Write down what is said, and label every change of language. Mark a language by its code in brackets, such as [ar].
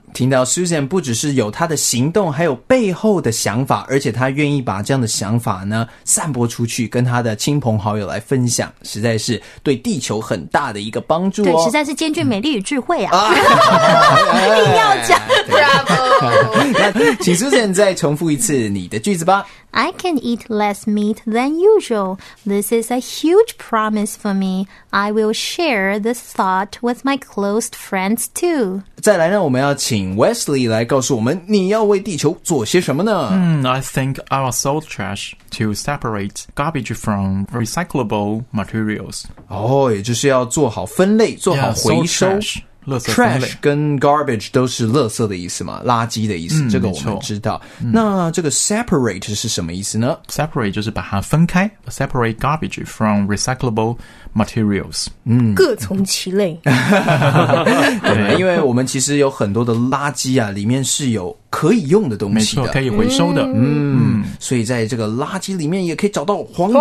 [zh] 听到 Susan 不只是有她的行动，还有背后的想法，而且她愿意把这样的想法呢散播出去，跟她的亲朋好友来分享，实在是对地球很大的一个帮助哦。对，实在是兼具美丽与智慧啊！一定要讲 [it] ，Bravo！ [zh] 请 Susan 再重复一次你的句子吧。 [en] I can eat less meat than usual. This is a huge promise for me. I will share this thought with my close friends too. [zh] 再来呢，我们要请 Wesley 来告诉我们，你要为地球做些什么呢？ [en] I think I'll sell trash to separate garbage from recyclable materials. [zh] 哦，也就是要做好分类，做好回收。 [en] Yeah, sold trash. [zh] Trash 跟 garbage 都是垃圾的意思嘛，垃圾的意思，这个我们知道。那这个 separate 是什么意思呢？ [en] Separate [zh] 就是把它分开， [en] separate garbage from recyclable materials. [zh] 各从其类。对，因为我们其实有很多的垃圾啊，里面是有可以用的东西的，没错，可以回收的。所以在这个垃圾里面也可以找到黄